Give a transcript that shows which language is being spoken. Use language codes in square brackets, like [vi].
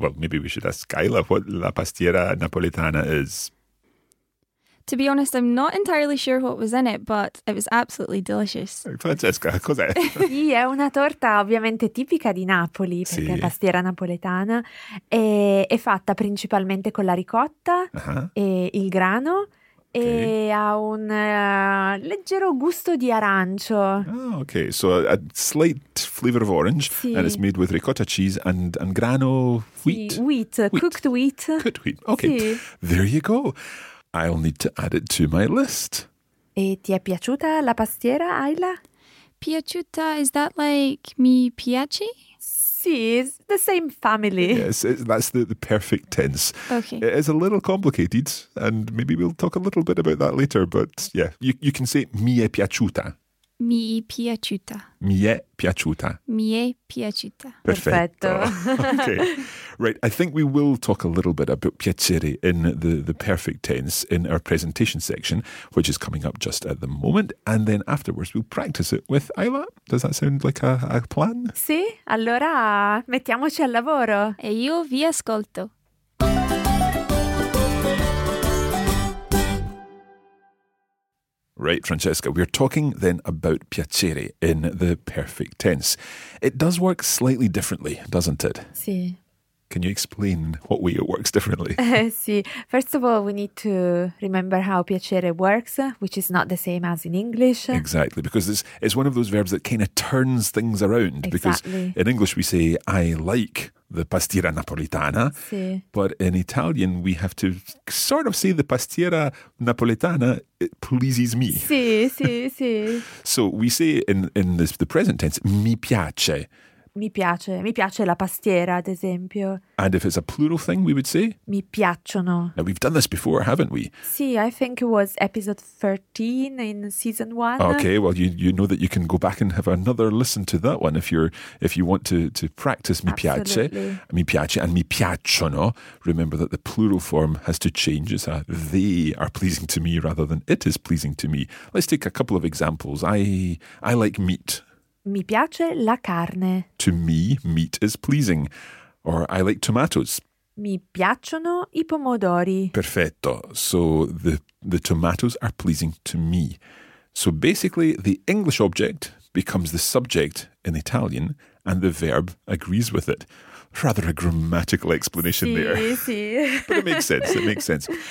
[en] Well, maybe we should ask Kyla what la pastiera napoletana is. To be honest, I'm not entirely sure what was in it, but it was absolutely delicious. [it] Francesca, cos'è? Sì, è una torta ovviamente tipica di Napoli, perché sì. È pastiera napoletana, e è fatta principalmente con la ricotta e il grano. [en] Okay. [it] E ha un leggero gusto di arancio. [en] Oh, okay, so a slight flavor of orange, [it] sì. [en] And it's made with ricotta cheese and grano wheat. Sì, wheat. Cooked wheat. Cooked wheat, okay. [it] Sì. [en] There you go. I'll need to add it to my list. [it] E ti è piaciuta la pastiera, Ayla? [en] Piaciuta, is that like mi piace? Sì, it's the same family. Yes, that's the perfect tense. Okay. It's a little complicated, and maybe we'll talk a little bit about that later, but yeah, you can say [it] mi è piaciuta. Mi è piaciuta. Mi è piaciuta. Mi è piaciuta. Perfetto. Okay. [en] Right, I think we will talk a little bit about piacere in the perfect tense in our presentation section, which is coming up just at the moment, and then afterwards we'll practice it with Ayla. Does that sound like a plan? [it] Sì, allora mettiamoci al lavoro. E io vi ascolto. [en] Right, Francesca, we're talking then about piacere in the perfect tense. It does work slightly differently, doesn't it? [it] Sì. [en] Can you explain what way it works differently? [it] Sì. [en] First of all, we need to remember how piacere works, which is not the same as in English. Exactly, because it's one of those verbs that kind of turns things around. Exactly. Because in English we say, I like the pastiera napoletana. [it] Sì. [en] But in Italian we have to sort of say the pastiera napoletana, it pleases me. [it] Sì, sì, sì. [en] So we say in the present tense, [it] mi piace. Mi piace la pastiera, ad esempio. [en] And if it's a plural thing, we would say? [it] Mi piacciono. [en] Now, we've done this before, haven't we? Sì, I think it was episode 13 in season 1. Okay, well, you know that you can go back and have another listen to that one if you want to practice mi Absolutely. [it] Piace. Mi piace and mi piacciono. [en] Remember that the plural form has to change. It's a they are pleasing to me rather than it is pleasing to me. Let's take a couple of examples. I like meat. [it] Mi piace la carne. [en] To me, meat is pleasing. Or I like tomatoes. [it] Mi piacciono I pomodori. Perfetto. [en] So the tomatoes are pleasing to me. So basically, the English object becomes the subject in Italian and the verb agrees with it. Rather a grammatical explanation [it] sì, [en] there. [it] Sì, sì. [en] But it makes sense. It makes sense.